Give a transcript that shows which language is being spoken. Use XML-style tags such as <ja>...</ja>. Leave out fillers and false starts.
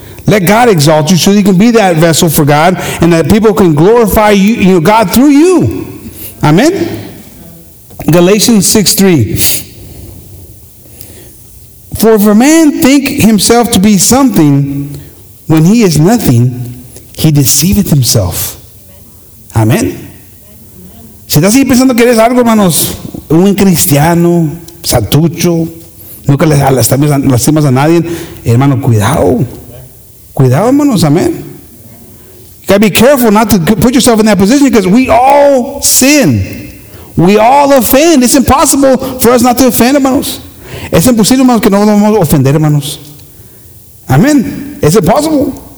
<en>Let God exalt you so you can be that vessel for God and that people can glorify you, God through you. Amen. Galatians 6:3. "For if a man think himself to be something when he is nothing, he deceiveth himself."</en> <es>Amén. Si estás ahí pensando que eres algo, hermanos, un cristiano, santucho, nunca le lastimas a nadie, hermano, cuidado. Cuidado, hermanos, amén.</es> <en>You gotta be careful not to put yourself in that position, because we all sin. We all offend. It's impossible for us not to offend, hermanos.</en> <es>Es imposible, hermanos, que no nos vamos a ofender, hermanos. Amén.</es> <en>It's impossible.</en>